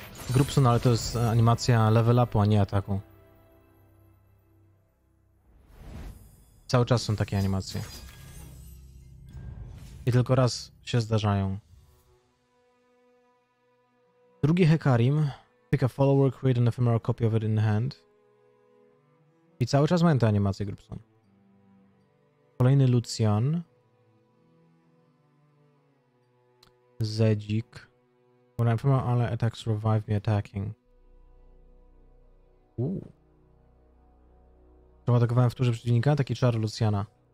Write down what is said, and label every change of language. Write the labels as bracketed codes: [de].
[pl] Grubson, ale to jest animacja level upu, a nie ataku. Cały czas są takie animacje. I tylko raz się zdarzają. Drugi Hecarim. [en] Pick a follower, create an ephemeral copy of it in hand. [pl] I cały czas mają te animacje, Grubson. Kolejny Lucian. Zedzik. [en] When I'm from our ally attacks, revive me attacking. [pl] Czemu atakowałem w turze przeciwnika? Taki czar Luciana.